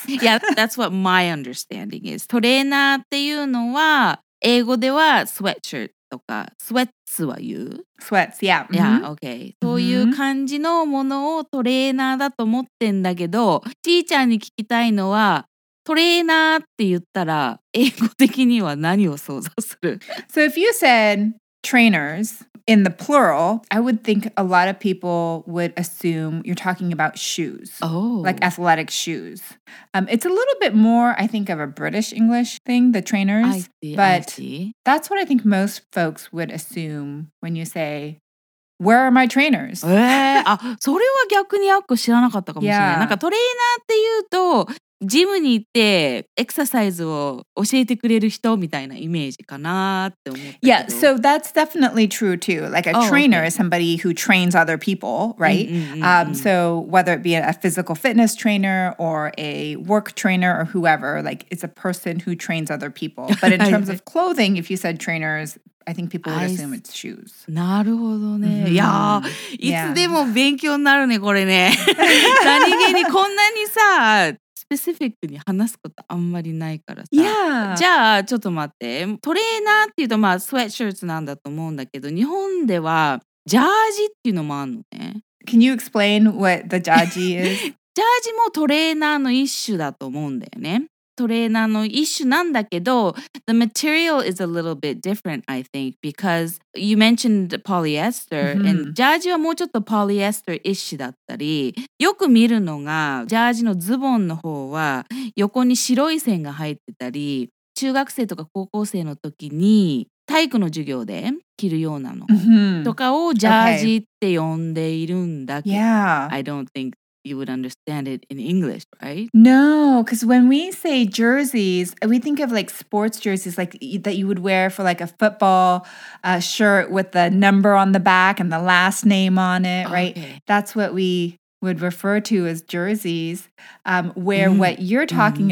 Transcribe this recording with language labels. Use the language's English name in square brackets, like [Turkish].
[English] Yeah, that's what my understanding is. [Japanese] トレーナーっていうのは、英語では sweatshirt とか、sweats は言う？ [English] Sweats, yeah. Mm-hmm. Yeah, okay. [Japanese] そういう感じのものをトレーナーだと思ってんだけど、ちーちゃんに聞きたいのは、トレーナーって言ったら英語的には何を想像する？ [English] So if you said trainers in the plural, I would think a lot of people would assume you're talking about shoes. Oh. Like athletic shoes. It's a little bit more, I think, of a British English thing, the trainers. I see. That's what I think most folks would assume when you say... Where are my trainers? [Japanese] あ、それは逆にあっこ知らなかったかもしれない。 [English] Yeah. [Japanese] なんかトレーナーっていうと、ジムに行ってエクササイズを教えてくれる人みたいなイメージかなって思ったけど。 [English] Yeah, so that's definitely true too. Like a trainer is somebody who trains other people, right? So whether it be a physical fitness trainer or a work trainer or whoever, like it's a person who trains other people. But in terms of clothing, if you said trainers... I think people would assume it's shoes. [Japanese] なるほどね。いやー、いつでも勉強になるね、これね。何気にこんなにさ、スペシフィックに話すことあんまりないからさ。 [English] Yeah. [Japanese] じゃあ、ちょっと待って。トレーナーっていうと、まあ、スウェットシャツなんだと思うんだけど、日本では、ジャージっていうのもあるのね。 [English] Can you explain what the ジャージ is? [Japanese] ジャージもトレーナーの一種だと思うんだよね。トレーナーの一種なんだけど [English] The material is a little bit different, I think, because you mentioned polyester、mm-hmm. [Japanese] and ジャージはもうちょっと polyester 一種だったりよく見るのがジャージのズボンの方は横に白い線が入ってたり中学生とか高校生の時に体育の授業で着るようなの、 mm-hmm. とかをジャージって呼んでいるんだけど、 [English] yeah. I don't thinkYou would understand it in English, right? No, because when we say jerseys, we think of like sports jerseys like that you would wear for like a football shirt with the number on the back and the last name on it, right? Okay. That's what we would refer to as jerseys, where mm-hmm. what you're talking mm-hmm.